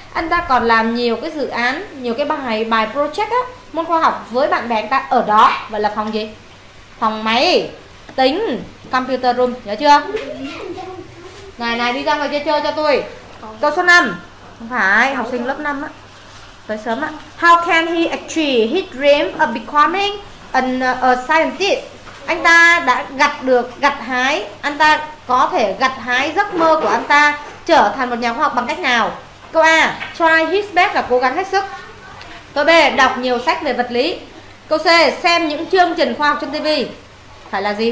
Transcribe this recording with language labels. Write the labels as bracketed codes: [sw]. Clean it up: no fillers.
[vi] Anh ta còn làm nhiều cái dự án, nhiều cái bài project á, môn khoa học với bạn bè anh ta ở đó. Vậy là phòng gì? Phòng máy tính, computer room, nhớ chưa? Này đi ra ngoài kia chơi cho tôi. Câu số 5. Không phải, học sinh lớp 5 á. Tới sớm ạ. [en] How can he achieve his dream of becoming an a scientist? [vi] Anh ta đã gặt được, gặt hái, anh ta có thể gặt hái giấc mơ của anh ta trở thành một nhà khoa học bằng cách nào? Câu A, [en] try his best, [vi] là cố gắng hết sức. Câu B, đọc nhiều sách về vật lý. Câu C, xem những chương trình khoa học trên TV. Phải là gì?